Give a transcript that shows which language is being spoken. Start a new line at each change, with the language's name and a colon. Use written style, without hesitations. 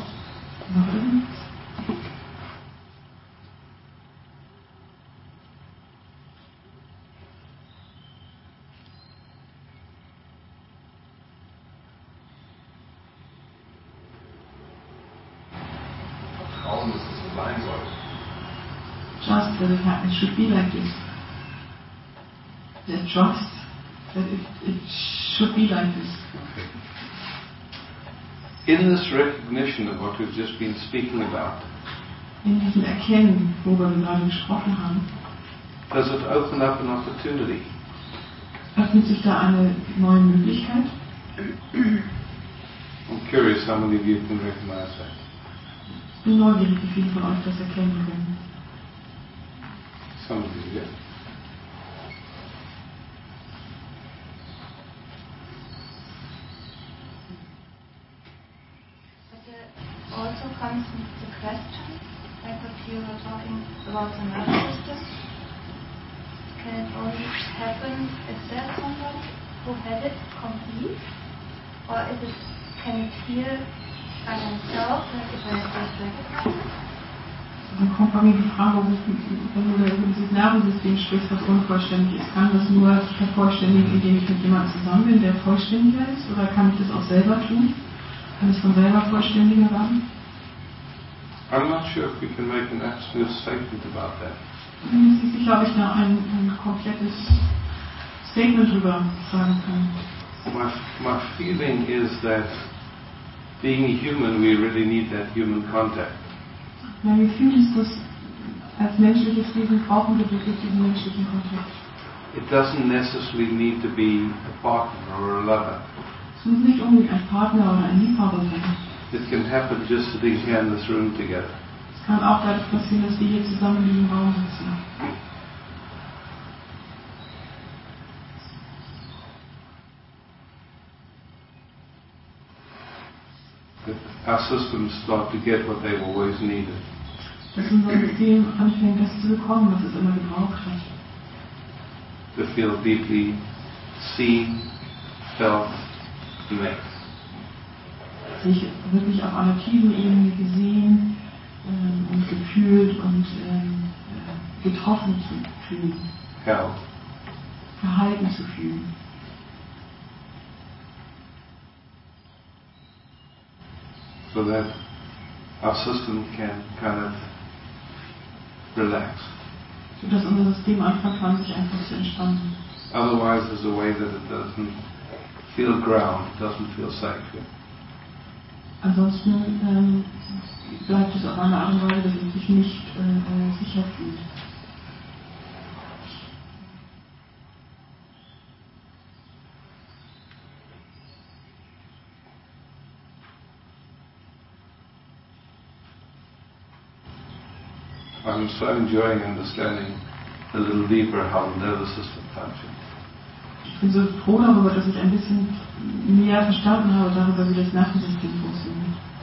English: Trust that it happens, should be like this. Then trust that it should be like this. In this recognition of what we've just been speaking about,
German: in diesem Erkennen, worüber wir gerade gesprochen haben,
English: does it open up an opportunity?
German: Öffnet sich da eine neue Möglichkeit?
English: I'm curious how many of you can recognize that.
German: Ich bin neugierig, wie viele von euch das erkennen können.
English: Some of you, yeah. Also comes with the question, like if you were talking about the nervous system, can it only happen if there's someone who had it complete, or is it, can it heal by themselves, like if I just recognize it?
German: Dann kommt bei mir die Frage, wenn du über dieses Nervensystem sprichst, was unvollständig ist. Kann das nur vervollständigen, indem ich mit jemandem zusammen bin, der vollständiger ist? Oder kann ich das auch selber tun? Kann ich von selber vollständiger werden?
English: I'm not sure if we can make an absolute statement about that.
German: Dann muss ich, glaube ich, nur ein komplettes Statement darüber sagen können.
English: My feeling is that being human, we really need that human contact.
German: Mein Gefühl ist, dass als menschliches Wesen brauchen wir wirklich diesen menschlichen Kontakt.
English: It doesn't necessarily need to be a partner or a lover.
German: Es muss nicht unbedingt ein Partner oder ein Liebhaber sein.
English: It can happen just sitting here in this room together.
German: Es kann auch dadurch passieren, dass wir hier zusammen in diesem Raum sitzen.
English: Our systems start to get what they've always needed.
German: Dass unser System anfängt, das zu bekommen, was es immer gebraucht hat.
English: To feel deeply seen, felt, met.
German: Sich wirklich auf einer tiefen Ebene gesehen und gefühlt und getroffen zu fühlen.
English: Held.
German: Gehalten zu fühlen.
English: So that our system can kind of relax.
German: So dass unser System anfangen kann, sich einfach zu entspannen.
English: Otherwise, there's a way that it doesn't feel ground, doesn't feel safe. Yeah.
German: Ansonsten bleibt es auf eine Art und Weise, dass es sich nicht sicher fühlt.
English: I'm so enjoying understanding a little deeper how the nervous system functions.
German: Ich bin so froh darüber, dass ich ein bisschen mehr verstanden habe darüber, wie das Nervensystem funktioniert.